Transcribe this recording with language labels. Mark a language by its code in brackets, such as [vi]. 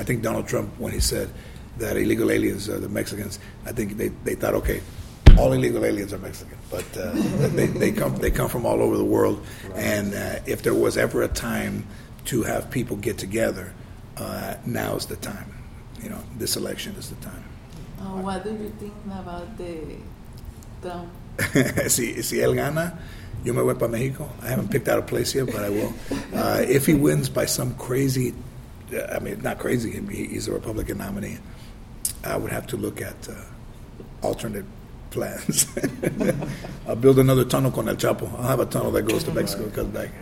[en] I think Donald Trump, when he said that illegal aliens are the Mexicans, I think they thought, okay, all illegal aliens are Mexican, but they come from all over the world. Right. And if there was ever a time to have people get together, now's the time. You know, this election is the time. What do you think about the Trump? [es] si él gana, yo me voy para México. [en] I haven't picked out a place yet, but I will. If he wins by some crazy, I mean, not crazy, he's a Republican nominee, I would have to look at alternate plans. I'll build another tunnel con El Chapo. I'll have a tunnel that goes to Mexico and comes back.